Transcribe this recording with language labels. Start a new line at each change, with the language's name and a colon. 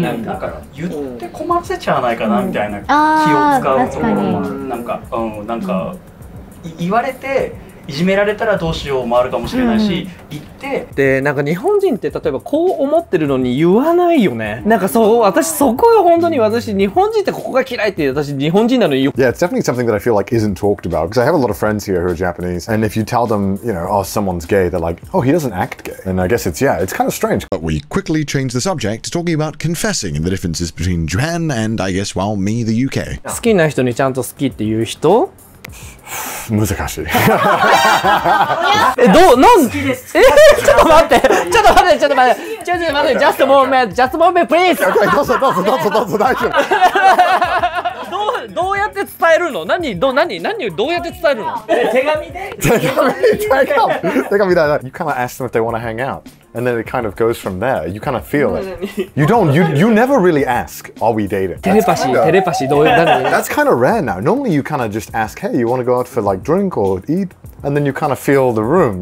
Japanese: なんか言って困らせちゃわないかなみたいな気を使うところもなんか、なんか言われていじめられたらどうしようもあるかもしれないし、言ってでなんか日本人って例えばこう思ってるのに言わないよね。なんかそう私そこが本当に私日本人ってここが嫌いって私日本人なのに。
English: Yeah, it's definitely something that I feel like isn't talked about because I have a lot of friends here who are Japanese and if you tell them, you know, oh someone's gay, they're like, oh he doesn't act gay. And I guess it's yeah, it's kind of strange. But we quickly change the subject to talking about confessing and the differences between Japan and I guess well me, the UK.
Japanese: 好きな人にちゃんと好きっていう人。難しい。え、どう、なん、え、ちょっと待って、ちょっと待って、ちょっと待って、ちょっと待って、
English: just a moment, just a moment, please!
Japanese: OK, どうぞ、どうぞ、どうぞ、どうぞ、大丈夫。どうやって伝えるの？何をどうやって伝えるの？手紙で。
English: You kind of ask them if they want to hang out, and then it kind of goes from there. You kind of feel it. You don't. You never really ask, "Are we dating?"
Japanese: テレパシー。どういう何？
English: That's kind of rare now. Normally, you kind of just ask, "Hey, you want to go out for like drink or eat?" And then you kind of feel the room.